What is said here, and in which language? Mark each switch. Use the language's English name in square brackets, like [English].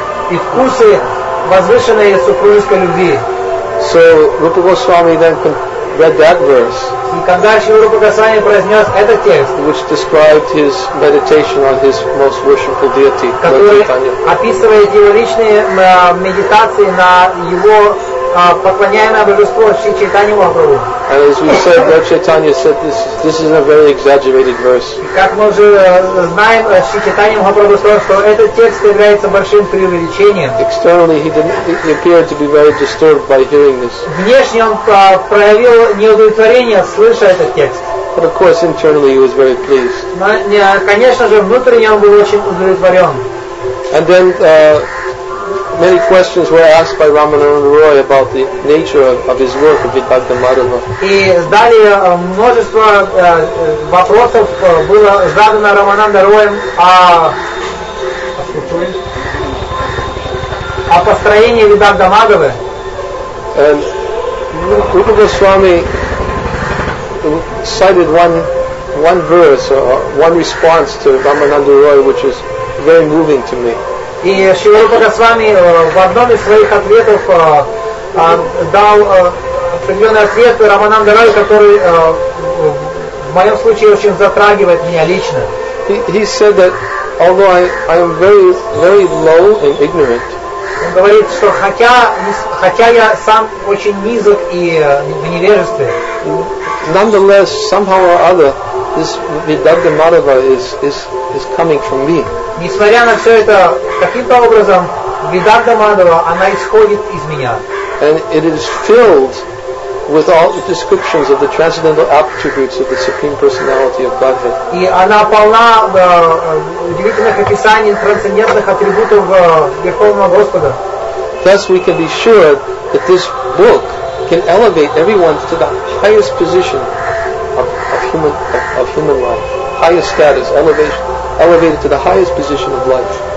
[Russian] И вкусы возвышенной супружеской любви. [English] So Rupa Goswami then read that verse. [Russian] И когда Шри Рупа Госвами произнес этот текст, [English] which described his meditation on his most worshipful deity, [Russian] который описывает его личные медитации на его поклоняемое божество Шри Чайтанья Махапрабху. [English] And as we said, Lord Chaitanya said this is a very exaggerated verse. [Russian] Как мы уже знаем, Шри Чайтанья Махапрабху сказал, что этот текст является большим преувеличением. [English] Externally, he appeared to be very disturbed by hearing this. [Russian] Внешне он проявил неудовлетворение, слыша этот текст. [English] But of course, internally, he was very pleased. [Russian] Но, конечно же, внутренне он был очень удовлетворен. [English] And then, many questions were asked by Рамананда Рой about the nature of his work of Vibhakta Madhava. [Russian] И далее множество вопросов было задано Рамананда Роем о построении Vibhakta Madhava. [English] And Rupa Goswami cited one verse or one response to Рамананда Рой, which is very moving to me. [Russian] И Шри Рупа Госвами в одном из своих ответов дал определенный ответ Рамананда Рой, который в моем случае очень затрагивает меня лично. [English] He said that although I am very, very low and ignorant. [Russian] Он говорит, что хотя я сам очень низок и в невежестве. [English] Nonetheless, somehow or other, this Vibhakta Madhava is coming from me. [Russian] Несмотря на все это, каким-то образом Vibhakta Madhava она исходит из меня. [English] And it is filled with all the descriptions of the transcendental attributes of the Supreme Personality of Godhead. [Russian] И она полна удивительных описаний трансцендентных атрибутов Верховного Господа. [English] Thus we can be sure that this book can elevate everyone to the highest position of human life. Highest status, elevated to the highest position of life.